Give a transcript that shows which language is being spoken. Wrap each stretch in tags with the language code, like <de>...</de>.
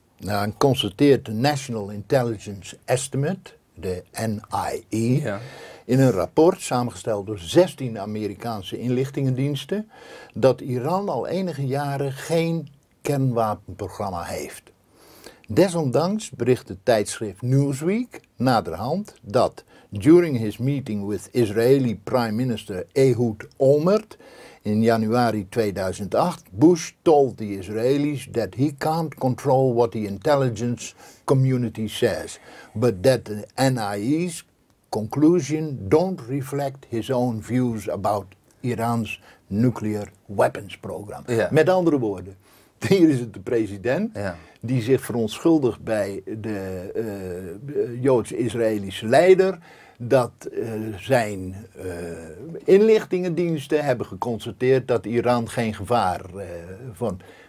<nl>Nou, en constateert de National Intelligence Estimate, de NIE, in een rapport samengesteld door 16 Amerikaanse inlichtingendiensten, dat Iran al enige jaren geen kernwapenprogramma heeft. Desondanks bericht het tijdschrift Newsweek naderhand dat</nl> <en>during his meeting with Israeli Prime Minister Ehud Olmert in januari 2008, Bush told the Israelis that he can't control what the intelligence community says, but that the NIE's conclusion don't reflect his own views about Iran's nuclear weapons program. Yeah.</en> <nl>Met andere woorden, hier is het de president die zich verontschuldigt bij de Joods-Israëlische leider dat zijn inlichtingendiensten hebben geconstateerd dat Iran geen gevaar van.</nl>